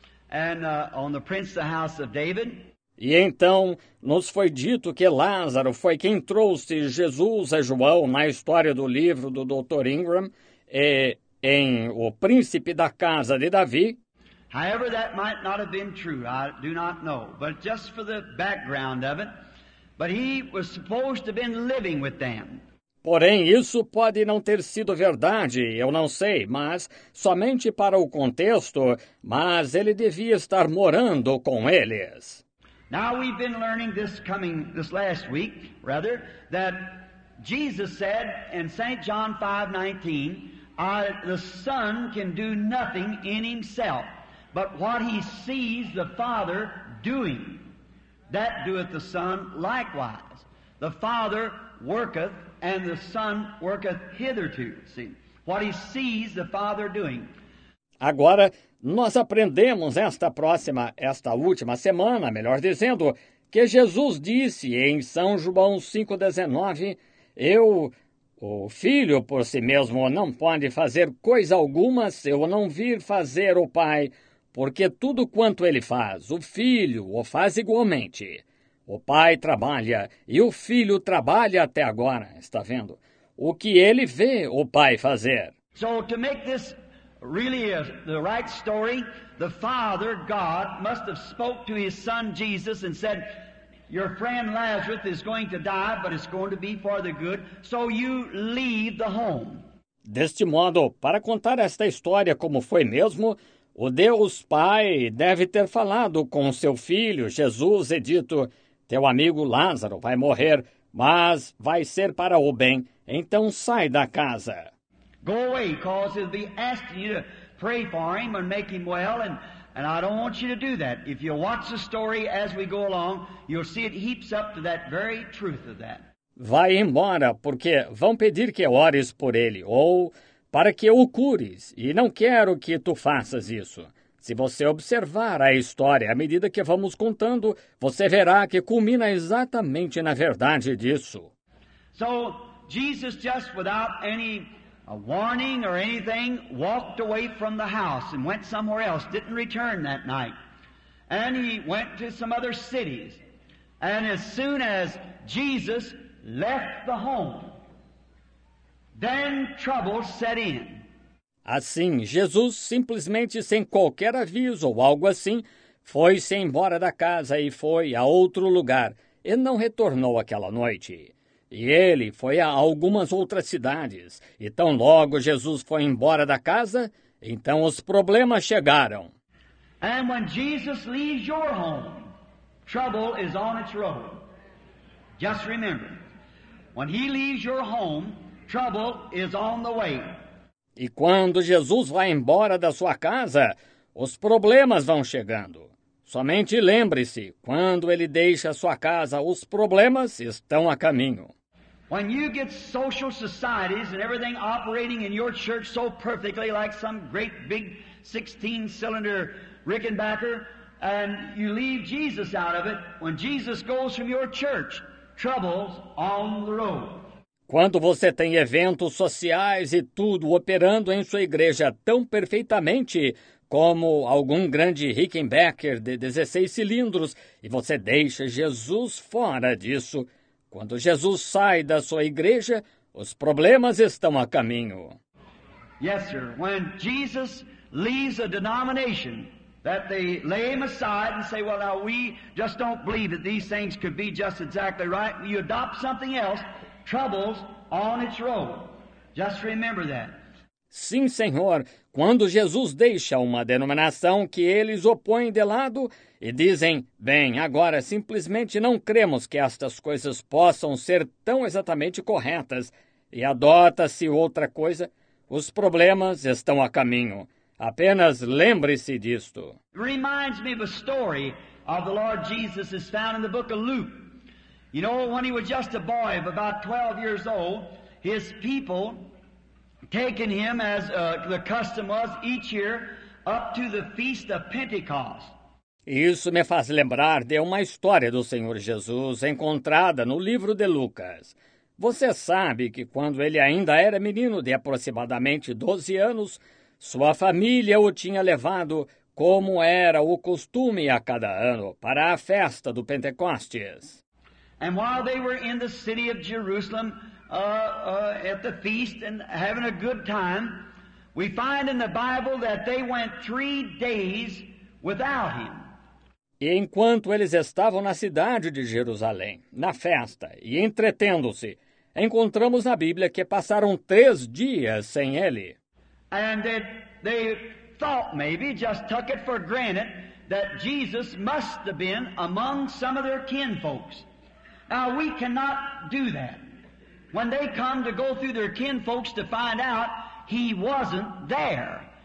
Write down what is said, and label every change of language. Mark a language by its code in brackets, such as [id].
[en] And on the prince of the house of David. [pt] E então nos foi dito que Lázaro foi quem trouxe Jesus a João na história do livro do Dr. Ingram e em O Príncipe da Casa de Davi. [en] However, that might not have been true. I do not know. But just for the background of it, but he was supposed to have been living with them. [pt] Porém, isso pode não ter sido verdade, eu não sei, mas somente para o contexto, mas ele devia estar morando com eles. [en] Now we've been learning this last week, rather, that Jesus said in St. John 5:19, the Son can do nothing in himself, but what he sees the Father doing, that doeth the Son likewise. The Father worketh. And the Son worketh hitherto. See, what he sees the Father doing. [pt] Agora, nós aprendemos esta última semana, melhor dizendo, que Jesus disse em São João 5:19, eu, o Filho por si mesmo, não pode fazer coisa alguma se eu não vir fazer o Pai, porque tudo quanto ele faz, o Filho o faz igualmente. O Pai trabalha e o Filho trabalha até agora, está vendo? O que ele vê o Pai fazer. [en] So to make this really the right story, the Father, God, must have spoke to his Son Jesus and said, your friend Lazarus is going to die, but it's going to be for the good, so you leave the home. [pt] Deste modo, para contar esta história como foi mesmo, o Deus Pai deve ter falado com seu Filho Jesus e dito... Teu amigo Lázaro vai morrer, mas vai ser para o bem. Então sai da casa. [en] Go away, because he'll be asking you to pray for him and make him well, and I don't want you to do that. If you watch the story as we go along, you'll see it heaps up to that very truth of that. [pt] Vai embora, porque vão pedir que ores por ele, ou para que o cures, e não quero que tu faças isso. Se você observar a história à medida que vamos contando, você verá que culmina exatamente na verdade disso. [en] So, Jesus just without any warning or anything walked away from the house and went somewhere else, didn't return that night. And he went to some other cities. And as soon as Jesus left the home, then trouble set in. [pt] Assim, Jesus, simplesmente sem qualquer aviso ou algo assim, foi-se embora da casa e foi a outro lugar, e não retornou aquela noite. E ele foi a algumas outras cidades. E tão logo Jesus foi embora da casa, então os problemas chegaram. [en] And when Jesus leaves your home, trouble is on its road. Just remember, when he leaves your home, trouble is on the way. [pt] E quando Jesus vai embora da sua casa, os problemas vão chegando. Somente lembre-se, quando ele deixa sua casa, os problemas estão a caminho. [en] When you get social societies and everything operating in your church so perfectly, like some great big 16-cylinder Rickenbacker, and you leave Jesus out of it, when Jesus goes from your church, trouble's on the road. [pt] Quando você tem eventos sociais e tudo operando em sua igreja tão perfeitamente como algum grande Rickenbacker de 16 cilindros e você deixa Jesus fora disso, quando Jesus sai da sua igreja, os problemas estão a caminho. [en] Yes, sir. When Jesus leaves a denomination that they lay him aside and say, well, now we just don't believe that these things could be just exactly right, you adopt something else, trouble's on its road. Just remember that. [pt] Sim, Senhor, quando Jesus deixa uma denominação que eles opõem de lado e dizem, bem, agora simplesmente não cremos que estas coisas possam ser tão exatamente corretas e adota-se outra coisa, os problemas estão a caminho. Apenas lembre-se disto. [en] Reminds me of a story of the Lord Jesus is found in the book of Luke. You know, when he was just a boy of about 12 years old, his people taken him, as the custom was each year, up to the feast of Pentecost. [pt] Isso me faz lembrar de uma história do Senhor Jesus encontrada no livro de Lucas. Você sabe que quando ele ainda era menino de aproximadamente 12 anos, sua família o tinha levado, como era o costume a cada ano, para a festa do Pentecostes. [en] And while they were in the city of Jerusalem, at the feast and having a good time, we find in the Bible that they went 3 days without him. [pt] E enquanto eles estavam na cidade de Jerusalém, na festa e entretendo-se, encontramos na Bíblia que passaram 3 dias sem ele. [en] And they thought maybe, just took it for granted, that Jesus must have been among some of their kinfolks. Now, we cannot do that. When they come to go through their kinfolks to find out, he wasn't there.